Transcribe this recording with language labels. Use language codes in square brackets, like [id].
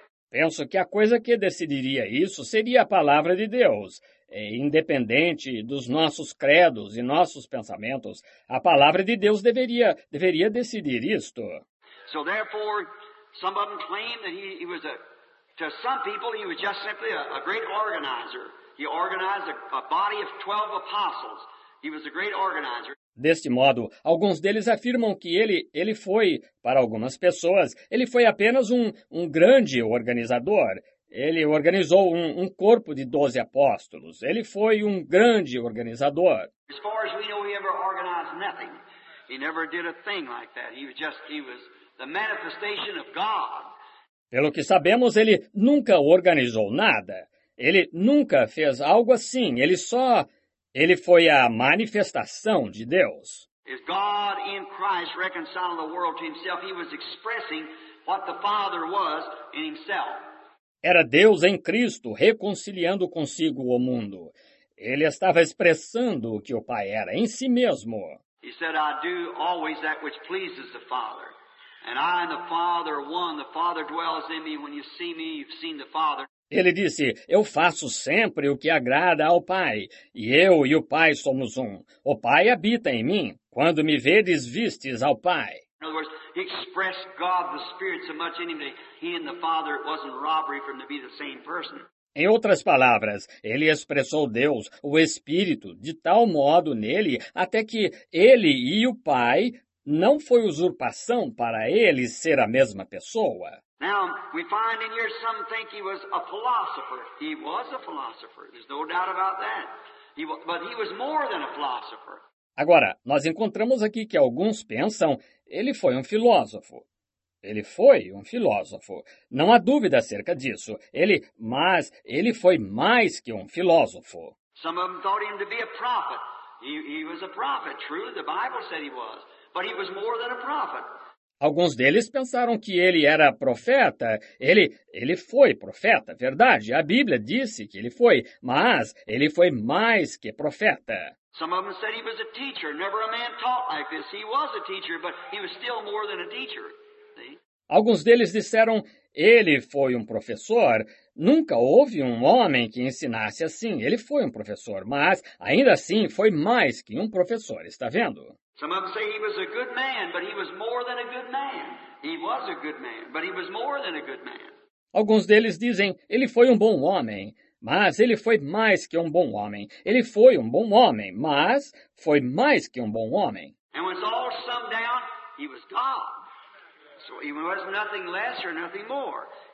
[pt] Penso que a coisa que decidiria isso seria a palavra de Deus. E, independente dos nossos credos e nossos pensamentos, a palavra de Deus deveria decidir isto. [en] So, therefore, some of them claim that he was a, to some people, he was just simply a great organizer. He organized a body of 12 apostles. He was a great organizer. [pt] Deste modo, alguns deles afirmam que ele foi, para algumas pessoas, ele foi apenas um grande organizador. Ele organizou um corpo de 12 apóstolos. Ele foi um grande organizador. [en] As far as we know, he ever organized nothing. He never did a thing like that. He was the manifestation of God. [pt] Pelo que sabemos, ele nunca organizou nada. Ele nunca fez algo assim. Ele foi a manifestação de Deus. [en] If God in Christ reconciled the world to himself, he was expressing what the Father was in himself. [pt] Era Deus em Cristo reconciliando consigo o mundo. Ele estava expressando o que o Pai era em si mesmo. [en] He said, I do always that which pleases the Father. And I and the Father are one. The Father dwells in me. When you see me, you've seen the Father. [pt] Ele disse, eu faço sempre o que agrada ao Pai. E eu e o Pai somos um. O Pai habita em mim. Quando me vedes, vistes ao Pai. [en] In other words, he expressed God the Spirit so much in him that he and the Father, it wasn't robbery for him to be the same person. [pt] Em outras palavras, ele expressou Deus, o Espírito, de tal modo nele, até que ele e o Pai... Não foi usurpação para ele ser a mesma pessoa. [en] Now, we find in here some think he was a philosopher. He was a philosopher. There's no doubt about that. But he was more than a philosopher. [pt] Agora, nós encontramos aqui que alguns pensam, ele foi um filósofo. Ele foi um filósofo. Não há dúvida acerca disso. Ele foi mais que um filósofo. [en] Some of them thought him to be a prophet. He was a prophet. True, the Bible said he was. But he was more than a prophet. [pt] Alguns deles pensaram que ele era profeta. Ele foi profeta, verdade. A Bíblia disse que ele foi, mas ele foi mais que profeta. [en] Some of them said he was a teacher. Never a man taught like this. He was a teacher, but he was still more than a teacher. See? [pt] Alguns deles disseram ele foi um professor. Nunca houve um homem que ensinasse assim. Ele foi um professor, mas ainda assim foi mais que um professor. Está vendo? [en] Some of them say he was a good man, but he was more than a good man. He was a good man, but he was more than a good man. [pt] Alguns deles dizem, ele foi um bom homem, mas ele foi mais que um bom homem. Ele foi um bom homem, mas foi mais que um bom homem. [en] And when it's all summed down, he was God. So he was nothing less or nothing more.